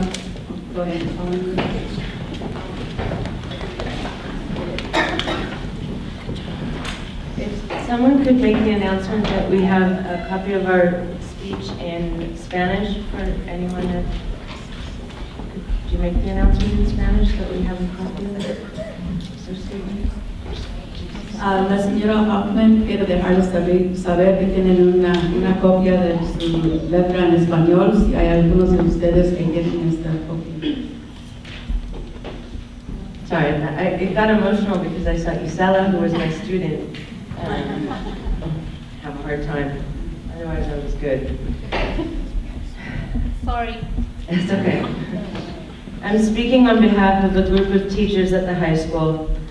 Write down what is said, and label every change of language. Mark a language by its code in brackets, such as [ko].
[en] If someone could make the announcement that we have a copy of our speech in Spanish for anyone that... Could you make the announcement in Spanish that we have a copy of it? [es] La señora Hoffman quiere dejarles saber que tienen una copia de su letra en español, si hay algunos de ustedes que quieren esta copia. [en] Sorry, it got emotional because I saw Isela, who was my student, have a hard time. Otherwise, I was good. Sorry. It's okay. I'm speaking on behalf of a group of teachers at the high school.